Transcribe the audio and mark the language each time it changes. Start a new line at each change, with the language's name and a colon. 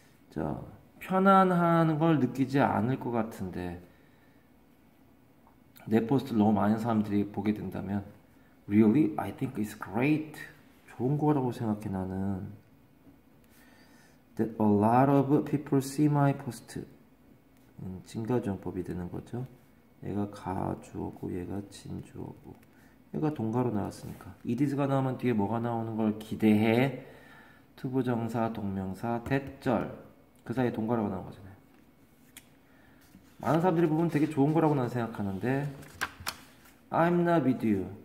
Korean: 자, 편안한 걸 느끼지 않을 것 같은데 내 포스트를 너무 많은 사람들이 보게 된다면
English: Really? I think it's great.
Korean: 좋은 거라고 생각해 나는.
English: That a lot of people see my post.
Korean: 진가전법이 되는 거죠. 얘가 가주어고 얘가 진주어고 얘가 동가로 나왔으니까 It is가 나오면 뒤에 뭐가 나오는 걸 기대해. 투부정사, 동명사, 대절 그 사이에 동가라고 나온 거잖아요. 많은 사람들이 보면 되게 좋은 거라고 나는 생각하는데
English: I'm not with you.